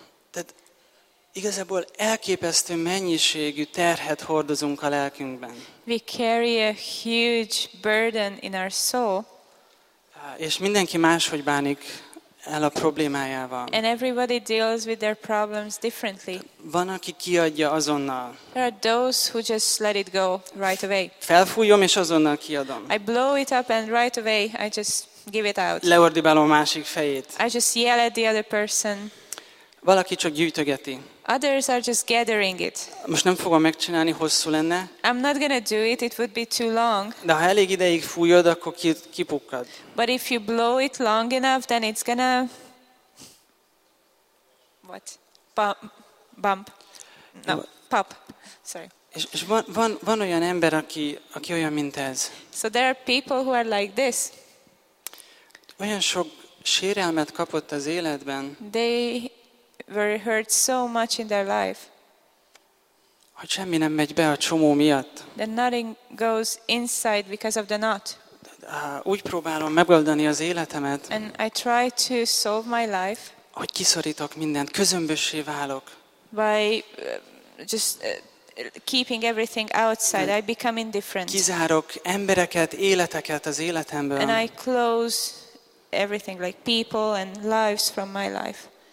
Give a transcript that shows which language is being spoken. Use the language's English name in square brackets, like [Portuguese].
[Hungarian] Tehát igazából elképesztő mennyiségű terhet hordozunk a lelkünkben. [English] We carry a huge burden in our soul. [Hungarian] És mindenki máshogy bánik el a problémájával. [English] And everybody deals with their problems differently. [Hungarian] Van, aki kiadja azonnal. [English] There are those who just let it go right away. [Hungarian] Felfújom és azonnal kiadom. [English] I blow it up and right away I just give it out. [Hungarian] Leordibálom a másik fejét. [English] I just yell at the other person. [Hungarian] Valaki csak gyűjtögeti. [English] Others are just gathering it. [Hungarian] Most nem fogom megcsinálni, hosszú lenne. [English] I'm not gonna do it, it would be too long. [Hungarian] De ha elég ideig fújod, akkor kipukkad. [English] But if you blow it long enough, then it's gonna what? Bump. No, pop. Sorry. [Hungarian] És van olyan ember, aki olyan, mint ez. [English] So there are people who are like this. [Hungarian] Olyan sok sérelmet kapott az életben. [English] They were hurt so much in their life. [Hungarian] Hogy semmi nem megy be a csomó miatt. [English] That nothing goes inside because of the knot. [Hungarian] Úgy próbálom megoldani az életemet. [English] And I try to solve my life. [Hungarian] Hogy kiszorítok mindent, közömbössé válok. [English] By just keeping everything outside, I become indifferent. [Hungarian] Kizárok embereket, életeket az életemből. [English] And I close everything, like people and lives, from my life.